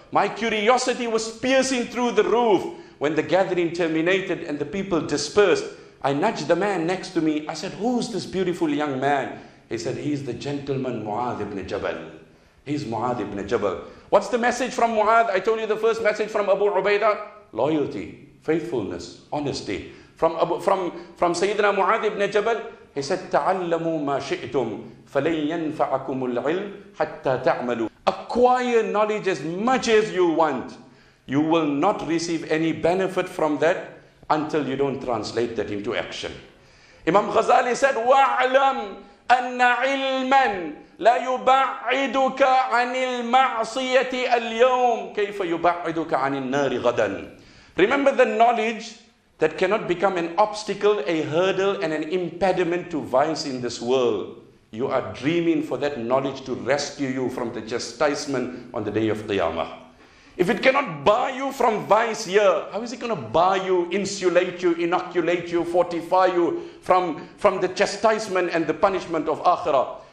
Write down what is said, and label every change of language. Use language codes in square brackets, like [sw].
[en] My curiosity was piercing through the roof. When the gathering terminated and the people dispersed, I nudged the man next to me. I said, who's this beautiful young man? He said, he's the gentleman Mu'adh ibn Jabal. He's Mu'adh ibn Jabal. What's the message from Mu'adh? I told you the first message from Abu Ubaidah. Loyalty, faithfulness, honesty. From Sayyidina Mu'adh ibn Jabal, he said, [ar] تَعَلَّمُوا مَا شِئْتُمْ فَلَنْ يَنْفَعَكُمُ الْعِلْمُ حَتَّى تَعْمَلُوا. [en] Acquire knowledge as much as you want. You will not receive any benefit from that until you don't translate that into action. Imam Ghazali said, [ar] وَعْلَمْ أَنَّ عِلْمًا لَا يُبَعِّدُكَ عَنِ الْمَعْصِيَةِ الْيَوْمِ كَيْفَ يُبَعِّدُكَ عَنِ النَّارِ غَدًا. [en] Remember the knowledge that cannot become an obstacle, a hurdle, and an impediment to vice in this world. You are dreaming for that knowledge to rescue you from the chastisement on the day of Qiyamah. If it cannot bar you from vice here, how is it going to bar you, insulate you, inoculate you, fortify you from the chastisement and the punishment of Akhirah?